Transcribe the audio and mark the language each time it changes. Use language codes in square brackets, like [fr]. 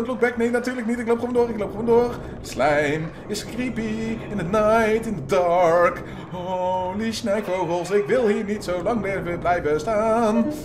[en] Don't look back, [nl] nee natuurlijk niet, ik loop gewoon door. Slijm is [en] creepy, in the night, in the dark. [nl] Holy snijvogels, ik wil hier niet zo lang meer blijven staan.